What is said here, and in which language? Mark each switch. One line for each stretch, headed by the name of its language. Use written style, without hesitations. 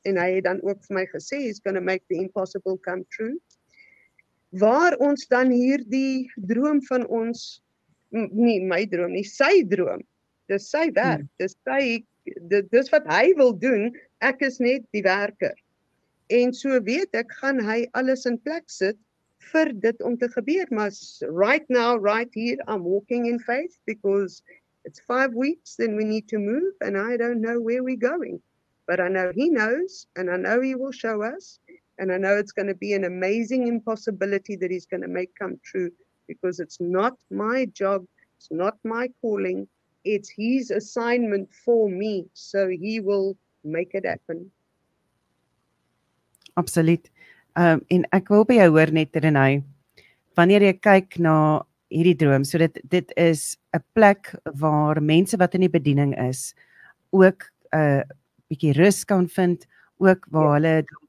Afrikaans: En hy het dan ook vir my gesê,
English: he's going to make the impossible come true.
Afrikaans: Waar ons dan hierdie droom van ons, nie my droom nie, sy droom, dis sy werk, dis sy, dis wat hy wil doen, ek is net die werker. En so weet ek, gaan hy alles in plek sit vir dit om te gebeur, maar
English: right now, right here, I'm walking in faith, because it's 5 weeks, then we need to move, and I don't know where we're going, but I know he knows, and I know he will show us, and I know it's going to be an amazing impossibility that he's going to make come true, because it's not my job, it's not my calling, it's his assignment for me, so he will make it happen.
Afrikaans: Absoluut. En ek wil by jou hoor net, René, wanneer jy kyk na hierdie droom, so dit is 'n plek waar mense wat in die bediening is, ook 'n bietjie rus kan vind, ook waar hulle